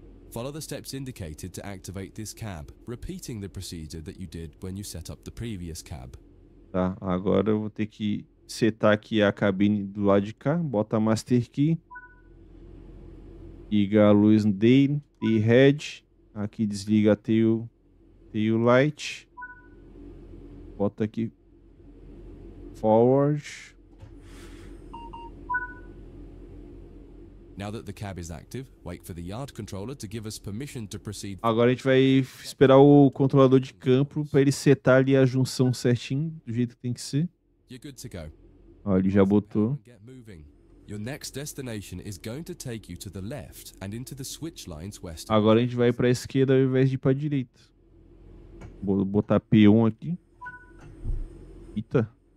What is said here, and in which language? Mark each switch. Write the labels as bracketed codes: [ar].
[en] Follow the steps indicated to activate this cab, repeating the procedure that you did when you set up the previous cab. [pt] Tá, agora eu vou ter que setar aqui a cabine do lado de cá, bota a master key. Liga a luz dele, tail head, aqui desliga tail light. Bota aqui forward. [en] Now that the cab is active, wait for the yard controller to give us permission to proceed. [pt] Agora a gente vai esperar o controlador de campo para ele setar ali a junção certinho, do jeito que tem que ser. [en] You're good to go. [pt] Ó, ele já botou. [en] Your next destination is going to take you to the left and into the switch lines west. [pt] Agora a gente vai para a esquerda ao invés de ir para a direita. Vou botar P1 aqui. Eita.